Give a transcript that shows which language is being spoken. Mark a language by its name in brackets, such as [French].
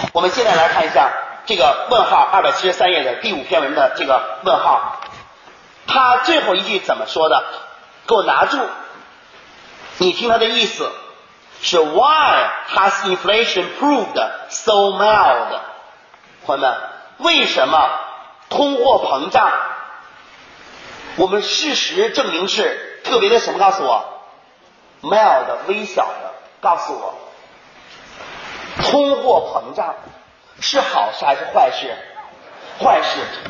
[Chinese] 我们现在来看一下这个问号273页的第五篇文的这个问号，他最后一句怎么说的？给我拿住，你听他的意思是 [English] Why has inflation proved so mild? [Chinese] 朋友们，为什么通货膨胀我们事实证明是特别的什么？告诉我 mild 微小的，告诉我通货膨胀是好事还是坏事？坏事。